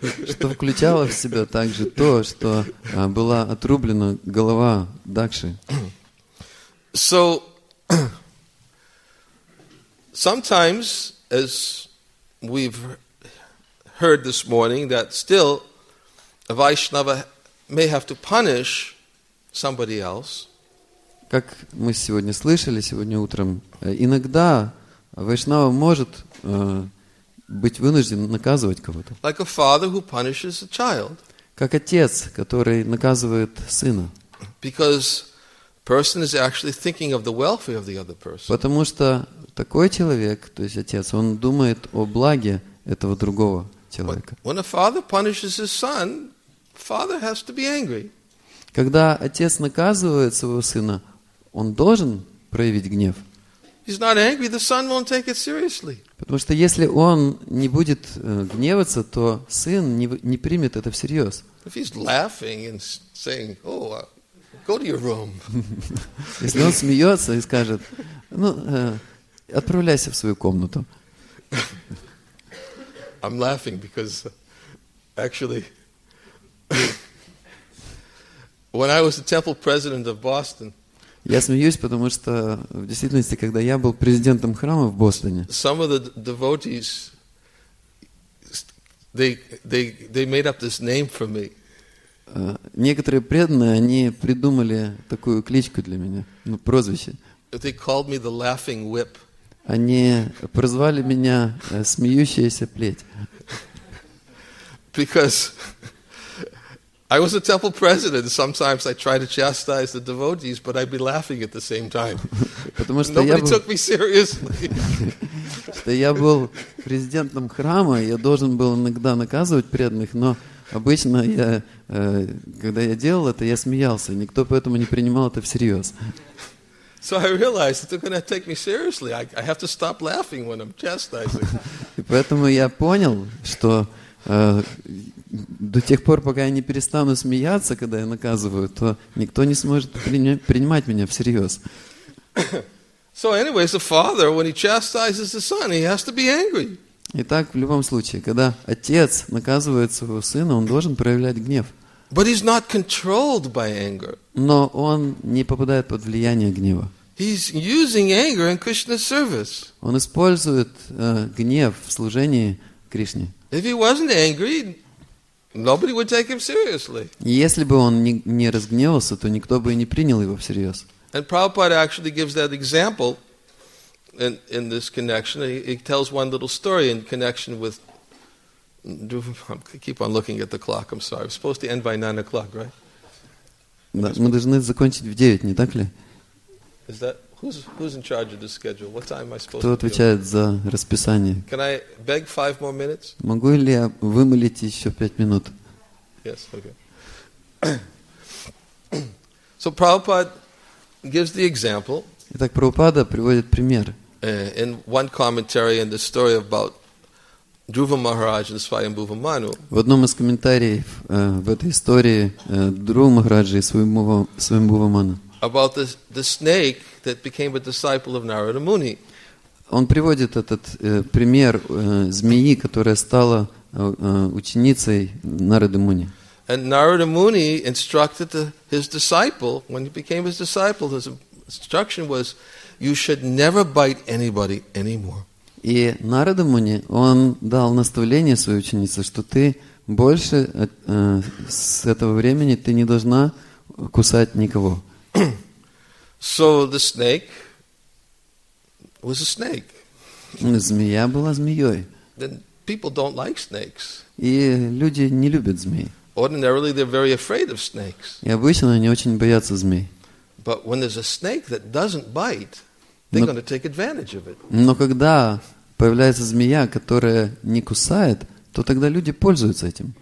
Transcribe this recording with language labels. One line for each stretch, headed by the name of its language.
Russian: Что включало в себя также то, что была отрублена голова Дакши.
English: So, sometimes, as we've heard this morning, that still a Vaishnava may have to punish somebody else.
Russian: Как мы сегодня слышали, сегодня утром, иногда Вайшнава может быть вынужден наказывать кого-то.
English: Like a father who punishes a child.
Russian: Как отец, который наказывает сына.
English: Because person is actually thinking of the welfare of the other person.
Russian: Потому что такой человек, то есть отец, он думает о благе этого другого человека.
English: When a father punishes his son, father has to be angry.
Russian: Когда отец наказывает своего сына, он должен проявить гнев.
English: He's not angry, the son won't take it seriously.
Russian: Потому что если он не будет гневаться, то сын не примет это всерьез.
English: If he's laughing and saying, "Oh, go to your room."
Russian: Если он смеется и скажет, ну, отправляйся в свою комнату.
English: I'm laughing because actually when I was the temple president of Boston,
Russian: я смеюсь, потому что в действительности, когда я был президентом храма в Бостоне,
English: some of the devotees, they made up this name for me.
Russian: Некоторые преданные, они придумали такую кличку для меня, ну, прозвище.
English: They called me the laughing whip.
Russian: Они прозвали меня смеющаяся плеть.
English: Because I was a temple president. Sometimes I try to chastise the devotees, but I'd be laughing at the same time. Nobody took me seriously.
Russian: Я был президентом храма, я должен был иногда наказывать преданных, но обычно я, когда я делал это, я смеялся. Никто поэтому не принимал это всерьез.
English: So I realized that they're going to take me seriously. I have to stop laughing when I'm chastising.
Russian: И поэтому я понял, что до тех пор, пока я не перестану смеяться, когда я наказываю, то никто не сможет принимать меня всерьез.
English: So anyways, the father, when he chastises the son, he has to be angry.
Russian: Итак, в любом случае, когда отец наказывает своего сына, он должен проявлять гнев.
English: But he's not controlled by anger.
Russian: Но он не попадает под влияние гнева.
English: He's using anger in Krishna's service.
Russian: Он использует гнев в служении Кришне.
English: If he wasn't angry, nobody would take him seriously.
Russian: Если бы он не разгневался, то никто бы и не принял его всерьез.
English: And Prabhupada actually gives that example in this connection. He tells one little story in connection with. Keep on looking at the clock. I'm sorry. It's supposed to end by 9 o'clock, right?
Russian: Да, мы должны закончить в 9, не так ли?
English: Is that who's in charge of the schedule? What time am I supposed to?
Russian: Кто отвечает за расписание?
English: Can I beg 5 more minutes?
Russian: Могу ли я вымолить еще 5 минут?
English: Yes, okay. So Prabhupada gives the example.
Russian: Итак, Прабхупада приводит пример.
English: In one commentary in the story about Dhruva Maharaj and Swayambhuva Manu.
Russian: В одном из комментариев в этой истории Друва Махараджа и Свайамбхува Ману.
English: About the snake that became a disciple of Narada Muni.
Russian: Он приводит этот пример змеи, которая стала ученицей Нарады Муни.
English: And Narada Muni instructed his disciple when he became his disciple. His instruction was, "You should never bite anybody anymore."
Russian: И Нарада Муни, он дал наставление своей ученице, что ты больше с этого времени ты не должна кусать никого.
English: So the snake was a snake.
Russian: Змея была змеей.
English: Then people don't like snakes.
Russian: И люди не любят змей.
English: Ordinarily they're very afraid of snakes.
Russian: И обычно они очень боятся змей.
English: But when there's a snake that doesn't bite, they're going to take advantage of it.
Russian: Но когда появляется змея, которая не кусает, то тогда люди пользуются этим.